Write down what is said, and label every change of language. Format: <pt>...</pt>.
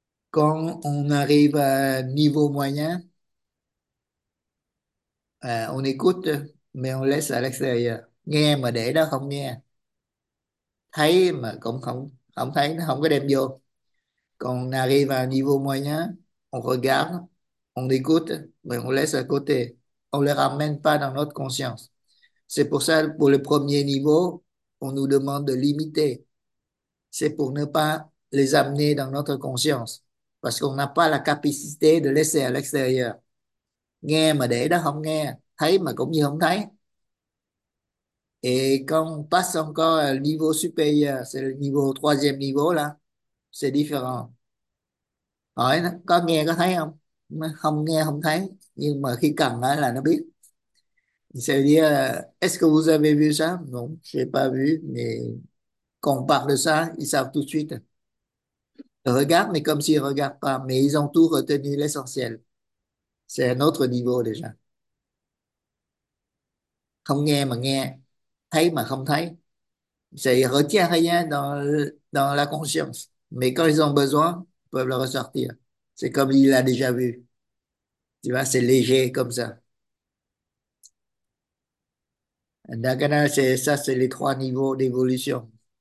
<fr>Quand on arrive à niveau moyen, on écoute, mais on laisse à l'extérieur.</fr> <vi>Nghe mà để đó không nghe. Thấy mà cũng không không thấy, nó không có đem vô. Còn</vi> <fr>arrive à niveau moyen, on regarde, on écoute, mais on laisse à côté. On ne les ramène pas dans notre conscience. C'est pour ça, pour le premier niveau, on nous demande de limiter. C'est pour ne pas les amener dans notre conscience. Parce qu'on n'a pas la capacité de laisser à l'extérieur.</fr> <vi>Nghe mà để đó không nghe, thấy mà cũng như không thấy.</vi> <fr>Et quand on passe encore au niveau supérieur, c'est le niveau troisième niveau là, c'est différent.</fr> <vi>Hỏi nó, có nghe có thấy không? Nó không nghe không thấy, nhưng mà khi cần là nó biết.</vi> <fr>C'est-à-dire, est-ce que vous avez vu ça? Non, je n'ai pas vu, mais quand on parle de ça, ils savent tout de suite. regardent, mais comme s'ils ne regardent pas, mais ils ont tout retenu, l'essentiel. C'est un autre niveau déjà.</fr> <vi>Không nghe mà nghe, thấy mà không thấy.</vi> <fr>Ça, ils ne retiennent rien dans la conscience, mais quand ils ont besoin, ils peuvent le ressortir. C'est comme il l'a déjà vu. Tu vois, c'est léger comme ça. Dagana, c'est ça, c'est les trois niveaux d'évolution.</fr>